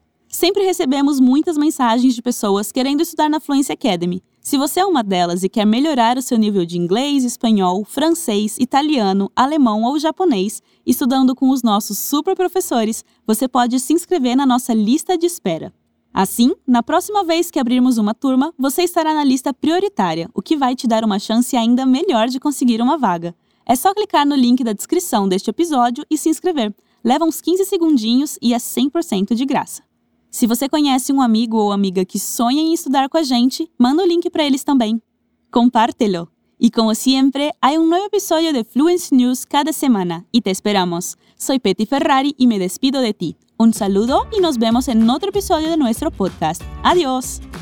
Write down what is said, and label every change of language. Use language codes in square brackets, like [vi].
[es] Siempre recebemos muchas mensajes de personas queriendo estudiar en la Fluency Academy. Si você es una de ellas y quer mejorar su nivel de inglés, español, francés, italiano, alemán o japonés, estudando con los nuestros super profesores, [pt] você pode se inscrever na nossa lista de espera. Assim, na próxima vez que abrirmos uma turma, você estará na lista prioritária, o que vai te dar uma chance ainda melhor de conseguir uma vaga. É só clicar no link da descrição deste episódio e se inscrever. Leva uns 15 segundinhos e é 100% de graça. Se você conhece um amigo ou amiga que sonha em estudar com a gente, manda o link para eles também. [es] Compártelo! [pt] E como sempre, há um novo episódio de Fluency News cada semana e te esperamos. [es] Soy Peti Ferrari e me despido de ti. Un saludo y nos vemos en otro episodio de nuestro podcast. ¡Adiós!